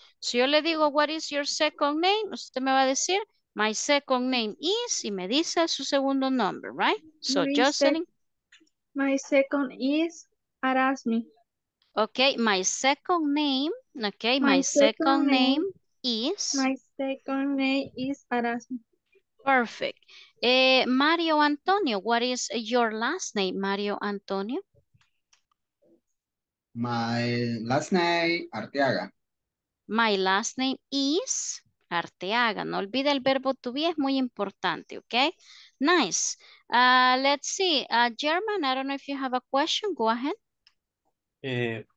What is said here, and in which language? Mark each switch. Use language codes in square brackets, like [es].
[es] Si yo le digo, [en] what is your second name? [es] Usted me va a decir, [en] my second name is, [es] y me dice su segundo nombre, right? [en] So, Jocelyn. My second is Arasmi. Okay, my second name. Okay, My second name is Arasmi. Perfect. Mario Antonio, what is your last name, Mario Antonio? My last name, Arteaga. My last name is Arteaga. [es] No olvide el verbo [en] to be, [es] es muy importante, okay? [en] Nice. Let's see. German, I don't know if you have a question. Go ahead.